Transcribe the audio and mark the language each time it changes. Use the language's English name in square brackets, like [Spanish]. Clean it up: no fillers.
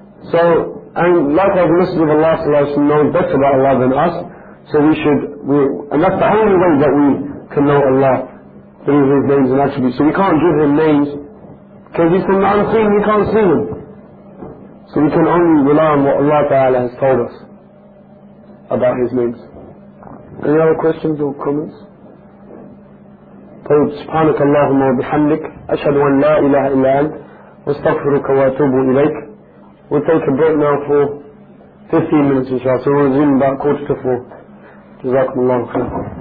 [English] So, and like the Messenger of Allah sallallahu alaihi wasallam knows better about Allah than us, so and that's the only way that we can know Allah through His names and attributes. So we can't give Him names, because He's from the unseen, we can't see Him. So we can only rely on what Allah ta'ala has told us about His names. Any other questions or comments? [Arabic] قل سبحانك اللهم وبحمدك أشهد أن لا إله إلا أنت واستغفرك وأتوب إليك. [English] We'll take a break now for 15 minutes inshallah, so we'll resume about 3:45. [Arabic] جزاكم الله خيرا.